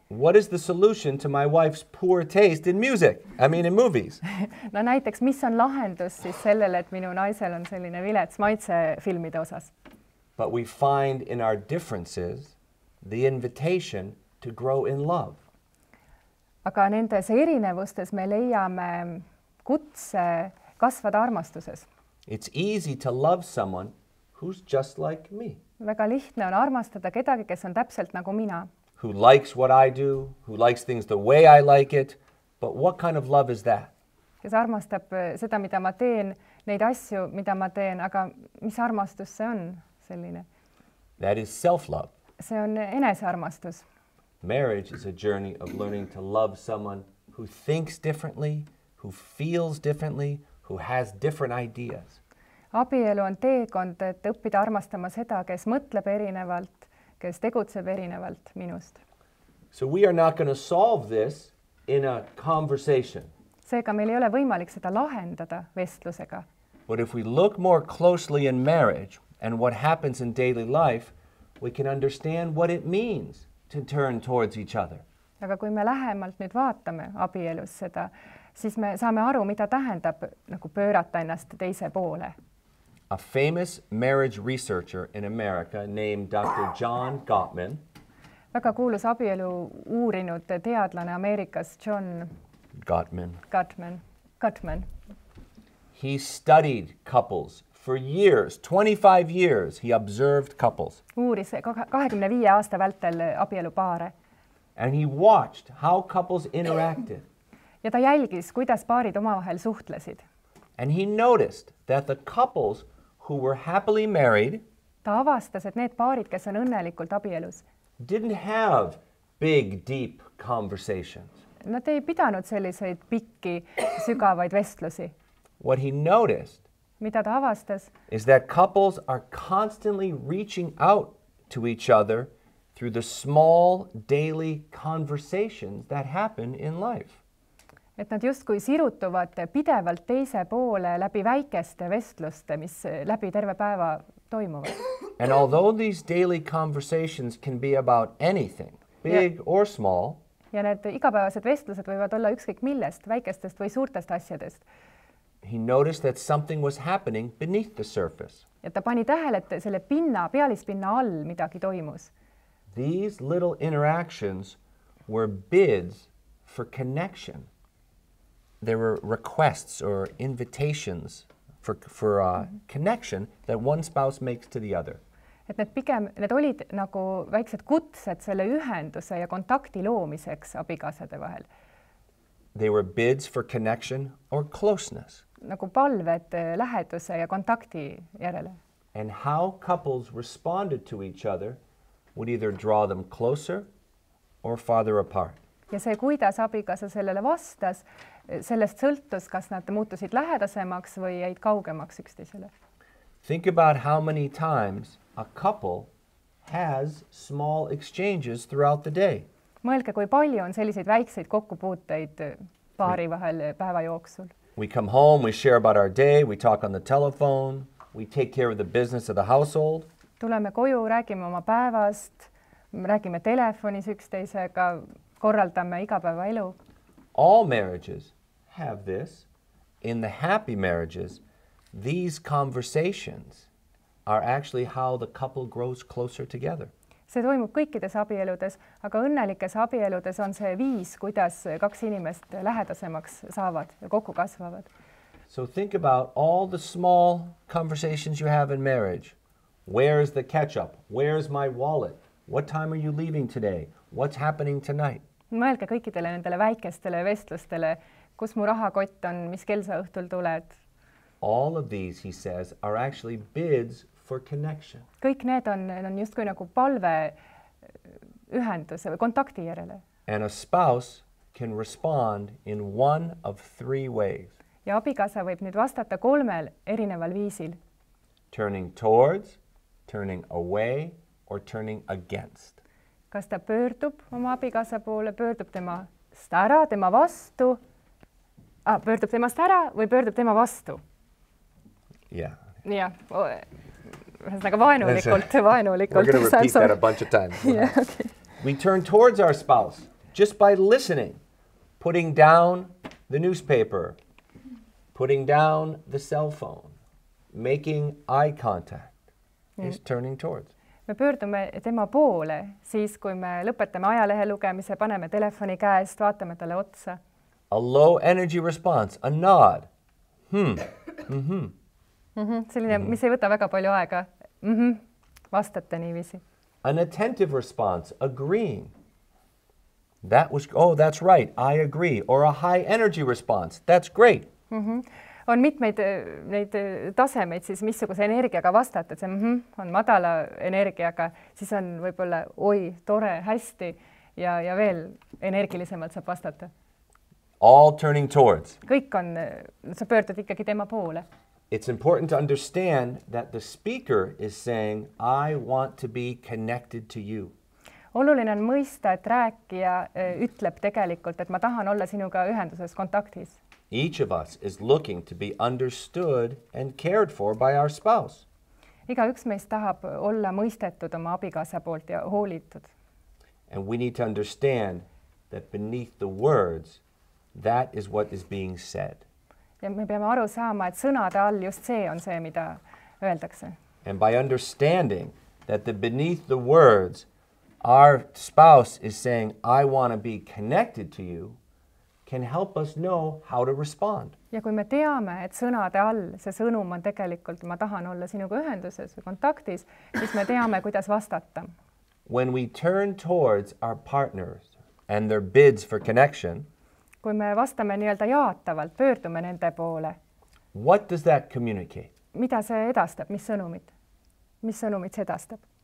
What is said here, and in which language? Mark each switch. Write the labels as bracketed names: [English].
[English] What is the solution to my wife's poor taste in music? I mean in movies. [Estonian] No näiteks, mis on lahendus siis sellele, et minu naisel on selline vilets maitse filmide osas. [English] But we find in our differences the invitation to grow in love. [Estonian] Aga nendes erinevustes me leiame kutse kasvada armastuses. [English] It's easy to love someone who's just like me. [Estonian] Väga lihtne on armastada kedagi, kes on täpselt nagu mina. [English] Who likes what I do, who likes things the way I like it, but what kind of love is that? [Estonian] Kes armastab seda, mida ma teen, neid asju, mida ma teen, aga mis armastus see on selline? [English] That is self-love. [Estonian] See on enesearmastus. [English] Marriage is a journey of learning to love someone who thinks differently, who feels differently, who has different ideas. [Estonian] Abielu on teekond, et õppida armastama seda, kes mõtleb erinevalt, kes tegutseb erinevalt minust. [English] So we are not going to solve this in a conversation. [Estonian] Seega meil ei ole võimalik seda lahendada vestlusega. [English] But if we look more closely in marriage and what happens in daily life, we can understand what it means to turn towards each other. [Estonian] Aga kui me lähemalt nüüd vaatame abielus seda, siis me saame aru, mida tähendab nagu pöörata ennast teise poole. [English] A famous marriage researcher in America named Dr. John Gottman. [Estonian] Väga kuulus abielu uurinud teadlane Ameerikas John [English] Gottman. He studied couples for years, 25 years he observed couples. [Estonian] Uuris 25 aasta vältel abielu paare. [English] And he watched how couples interacted. [Estonian] Ja ta jälgis, kuidas paarid omavahel suhtlesid. [English] And he noticed that the couples who were happily married, [Estonian] ta avastas, et need paarid, kes on õnnelikult abielus, [English] didn't have big, deep conversations. [Estonian] Nad ei pidanud selliseid pikki, sügavaid vestlusi. [English] What he noticed, [Estonian] mida ta avastas, [English] is that couples are constantly reaching out to each other through the small, daily conversations that happen in life. [Estonian] Et nad justkui sirutuvad pidevalt teise poole läbi väikeste vestluste, mis läbi terve päeva toimuvad. [English] And although these daily conversations can be about anything, big or small, [Estonian] ja need igapäevased vestlused võivad olla ükskõik millest, väikestest või suurtest asjadest, [English] he noticed that something was happening beneath the surface. [Estonian] Ja ta pani tähele, et selle pinna, pealispinna all midagi toimus. [English] These little interactions were bids for connection. There were requests or invitations for a connection that one spouse makes to the other. [Estonian] Et need pigem, need olid nagu väiksed kutsed selle ühenduse ja kontakti loomiseks abikaasade vahel. [English] They were bids for connection or closeness. [Estonian] Nagu palved läheduse ja kontakti järele. [English] And how couples responded to each other would either draw them closer or farther apart. [Estonian] Ja see, kuidas abikaasa sellele vastas, sellest sõltus, kas nad muutusid lähedasemaks või jäid kaugemaks üksteisele. [English] Think about how many times a couple has small exchanges throughout the day. [Estonian] Mõelge, kui palju on selliseid väikseid kokkupuuteid paari vahel päeva jooksul. [English] We come home, we share about our day, we talk on the telephone, we take care of the business of the household. [Estonian] Tuleme koju, räägime oma päevast, räägime telefonis üksteisega, korraldame igapäeva elu. [English] All marriages have this. In the happy marriages, these conversations are actually how the couple grows closer together. [Estonian] See toimub kõikides abieludes, aga õnnelikes abieludes on see viis, kuidas kaks inimest lähedasemaks saavad ja kokku kasvavad. [English] So think about all the small conversations you have in marriage. Where is the ketchup? Where is my wallet? What time are you leaving today? What's happening tonight? [Estonian] Mõelge kõikidele nendele väikestele vestlustele, kus mu rahakott on, mis kell sa õhtul tuled. [English] All of these, he says, are actually bids for connection. [Estonian] Kõik need on just kui nagu palve ühenduse või kontakti järele. [English] And a spouse can respond in one of three ways. [Estonian] Ja abikasa võib nüüd vastata kolmel erineval viisil. [English] Turning towards, turning away, or turning against. [Estonian] Kas ta pöördub oma abikasa poole, pöördub temast ära, tema vastu? Pöördub temast ära või pöördub tema vastu? [English] Yeah. Yeah. [Estonian] Vaenulikult. [English] We're going to repeat that a bunch of times. Yeah, okay. We turn towards our spouse just by listening, putting down the newspaper, putting down the cell phone, making eye contact. He's turning towards. [Estonian] Me pöördume tema poole siis, kui me lõpetame ajalehe lugemise, paneme telefoni käest, vaatame talle otsa. [English] A low energy response, a nod. [Estonian] Selline, mis ei võta väga palju aega. Vastate niiviisi. [English] An attentive response, agreeing. That was, oh, that's right, I agree. Or a high energy response, that's great. [Estonian] On mitmeid neid tasemeid, siis missuguse energiaga vastata. See on madala energiaga, siis on võib-olla oi, tore, hästi ja veel energilisemalt saab vastata. [English] All turning towards. [Estonian] Kõik on, sa pöördud ikkagi tema poole. [English] It's important to understand that the speaker is saying, I want to be connected to you. [Estonian] Oluline on mõista, et rääkija ütleb tegelikult, et ma tahan olla sinuga ühenduses kontaktis. [English] Each of us is looking to be understood and cared for by our spouse. [Estonian] Iga üks meist tahab olla mõistetud oma abikaasa poolt ja hoolitud. [English] And we need to understand that beneath the words, that is what is being said. [Estonian] Ja me peame aru saama, et sõnade all just see on see, mida öeldakse. [English] And by understanding that the beneath the words, our spouse is saying, I want to be connected to you, can help us know how to respond. [Estonian] Ja kui me teame, et sõnade all see sõnum on tegelikult, ma tahan olla sinuga ühenduses või kontaktis, siis me teame, kuidas vastata. [English] When we turn towards our partners and their bids for connection, [Estonian] kui me vastame nii-öelda jaatavalt, pöördume nende poole. [English] What does that communicate? [Estonian] Mida see edastab? Mis sõnumid? Mis sõnumid see edastab?